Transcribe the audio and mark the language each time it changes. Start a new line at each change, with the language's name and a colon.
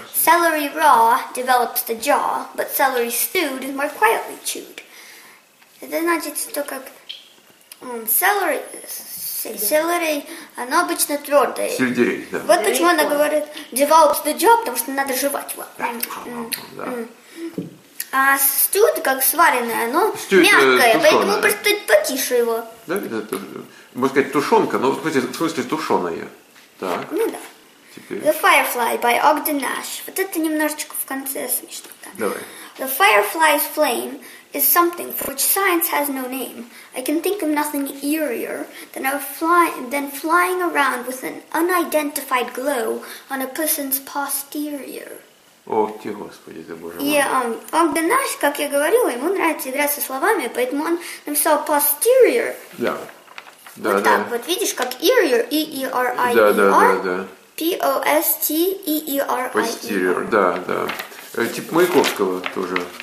English: Celery raw develops the jaw, but celery stewed is more quietly chewed.
Russian: Это значит, что как celery, оно обычно твердое. Сельдерей, да. Вот почему она говорит
English: develops the jaw,
Russian: потому что надо жевать его. Да. А stewed, как сваренное, оно stewed, мягкое, поэтому просто потише его. Да, это, можно сказать, тушенка, но в смысле тушеная. Так. Ну да. Теперь.
English: The Firefly by Ogden Nash.
Russian: Вот это немножечко в конце смешно. Давай.
English: The Firefly's flame is something for which science has no name. I can think of nothing eerier than flying around with an unidentified glow on a person's posterior.
Russian: Ох ты, Господи, ты Боже мой. И Ogden Nash, как я говорила, ему нравится играть со словами, поэтому он написал posterior. Да. Вот да, так, да. Вот видишь, как eerier, E-E-R-I-E-R. Да.
English: P-O-S-T-E-E-R-I-E-R.
Russian: Posterior, да. Тип Маяковского тоже.